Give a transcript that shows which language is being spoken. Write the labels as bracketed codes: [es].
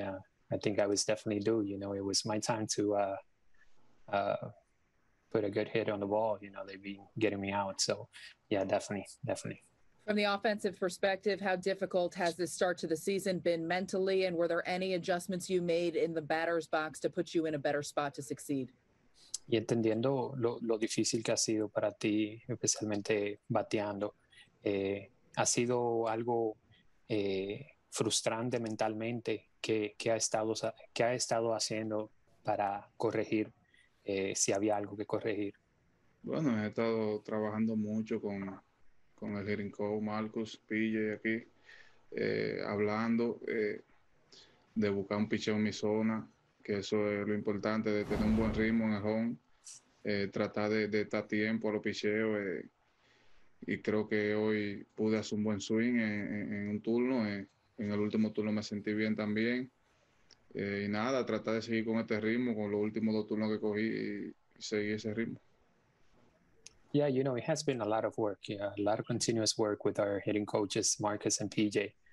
[en] I think I was definitely due. It was my time to put a good hit on the ball. They've been getting me out. So yeah, definitely, definitely. From the offensive perspective, how difficult has this start to the season been mentally, and were there any adjustments you made in the batter's box to put you in a better spot to succeed? [es] Y entendiendo lo difícil que ha sido para ti, especialmente bateando, ¿ha sido algo frustrante mentalmente? ¿Qué ha estado haciendo para corregir, si había algo que corregir? Bueno, he estado trabajando mucho con el hitting coach Marcus Pille aquí, hablando de buscar un picheo en mi zona, que eso es lo importante, de tener un buen ritmo en el home, tratar de estar tiempo a los picheos, y creo que hoy pude hacer un buen swing en un turno, en el último turno me sentí bien también, y nada, tratar de seguir con este ritmo, con los últimos dos turnos que cogí y seguir ese ritmo. [en] Yeah, it has been a lot of work. Yeah, a lot of continuous work with our hitting coaches, Marcus and PJ.